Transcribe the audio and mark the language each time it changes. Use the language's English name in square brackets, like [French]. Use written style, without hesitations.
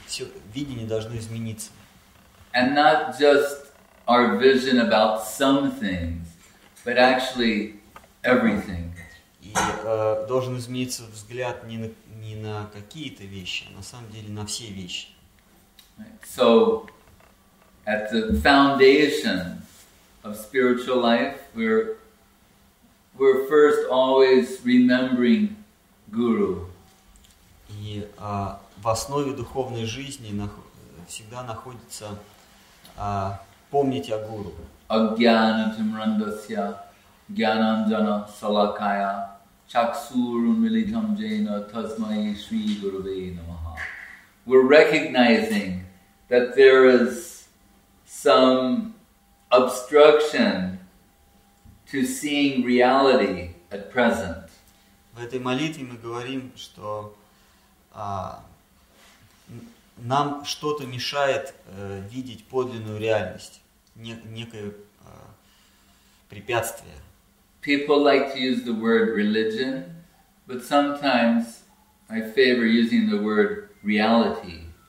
[Russian] Все видение должно измениться. [English] And not just our vision about some things, but actually everything. [Russian] И должен измениться взгляд не на какие-то вещи, а на самом деле на все вещи. [English] So, at the foundation of spiritual life, we're first always remembering Guru. [Russian] И в основе духовной жизни всегда находится помнить о Гуру. [Sanskrit] Агьянатим рандасья, гьянанджана салакая, чаксуру милитам джена, тасмай шри гурве намаха. [English] We're recognizing that there is some obstruction to seeing reality at present. [Russian] В этой молитве мы говорим, что нам что-то мешает видеть подлинную реальность, некое препятствие. [English] People like to use the word religion, but sometimes I favor using the word reality.